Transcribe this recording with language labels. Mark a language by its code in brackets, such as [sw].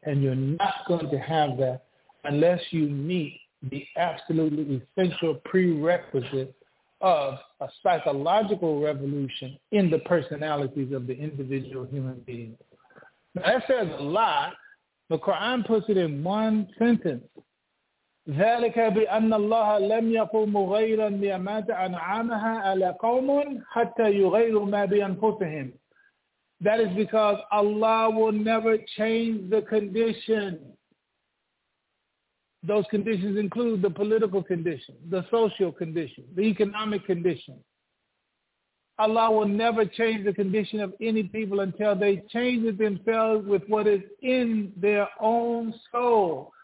[en] And you're not going to have that unless you meet the absolutely essential prerequisite of a psychological revolution in the personalities of the individual human being. Now, that says a lot. The Quran puts it in one sentence. [ar] ذلك بأن الله لم يقم مغيرا بما أنعمها على قوم حتى يغيروا ما بأنفسهم. [en] That is because Allah will never change the condition. Those conditions include the political condition, the social condition, the economic condition. Allah will never change the condition of any people until they change it themselves with what is in their own soul.